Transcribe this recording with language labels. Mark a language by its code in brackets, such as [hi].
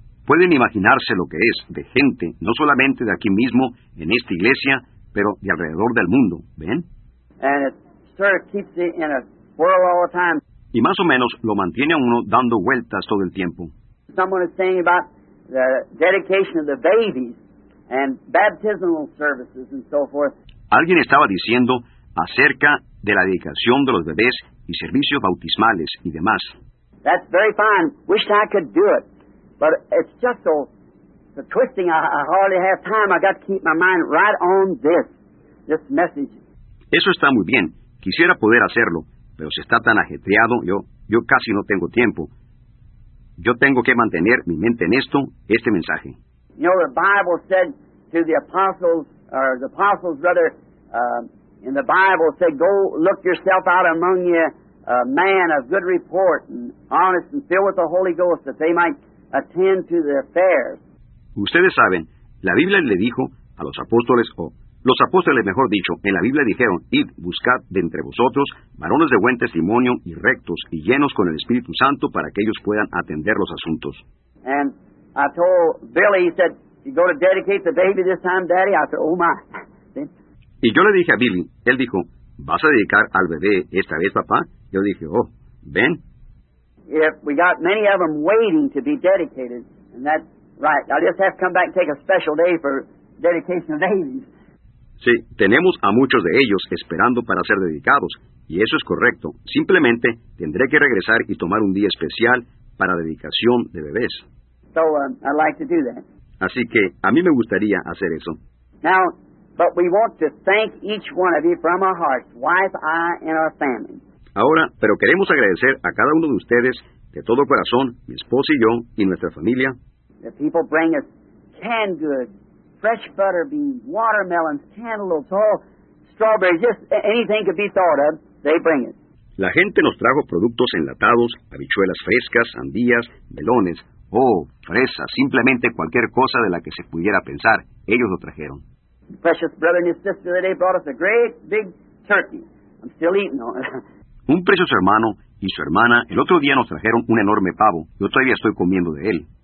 [es] Pueden imaginarse lo que es de gente, no solamente de aquí mismo, en esta iglesia, pero de alrededor del mundo, ¿ven? [en] And it sort of keeps you in a whirl all the time. [es] Y más o menos lo mantiene a uno dando vueltas todo el tiempo. [en] Someone is saying about the dedication of the babies and baptismal services and so forth. [es] Alguien estaba diciendo acerca de la dedicación de los bebés y servicios bautismales y demás. [en] That's very fine. Wish I could do it. But it's just so twisting. I hardly have time. I got to keep my mind right on this message. [es] Eso está muy bien. Quisiera poder hacerlo, pero si está tan ajetreado, yo casi no tengo tiempo. Yo tengo que mantener mi mente en esto, este mensaje. [en] You know, the Bible said to the apostles, or the apostles rather, in the Bible said, go look yourself out among you a man of good report and honest and filled with the Holy Ghost that they might attend to the affairs. [es] Ustedes saben, la Biblia le dijo a los apóstoles, los apóstoles mejor dicho, en la Biblia dijeron, id, buscad de entre vosotros varones de buen testimonio y rectos y llenos con el Espíritu Santo para que ellos puedan atender los asuntos. [en] And I told Billy, he said, you go to dedicate the baby this time, Daddy? I said, oh my. [es] Y yo le dije a Billy, él dijo, ¿vas a dedicar al bebé esta vez, papá? Yo dije, ven. [en] If we got many of them waiting to be dedicated, and that's right. I'll just have to come back and take a special day for dedication of babies. [es] Sí, tenemos a muchos de ellos esperando para ser dedicados, y eso es correcto. Simplemente tendré que regresar y tomar un día especial para dedicación de bebés. [en] So, I'd like to do that. [es] Así que a mí me gustaría hacer eso. [en] Now, but we want to thank each one of you from our hearts, wife, I, and our family. [es] Ahora, pero queremos agradecer a cada uno de ustedes, de todo corazón, mi esposa y yo, y nuestra familia. [en] The people bring us canned goods, fresh butter beans, watermelons, cantaloupes, all strawberries, just anything could be thought of, they bring it. [es] La gente nos trajo productos enlatados, habichuelas frescas, sandías, melones, fresas, simplemente cualquier cosa de la que se pudiera pensar, ellos lo trajeron. [en] Precious brother and his sister, they brought us a great big turkey. I'm still eating on it. [es] Un precioso hermano y su hermana el otro día nos trajeron un enorme pavo. Yo todavía estoy comiendo de él.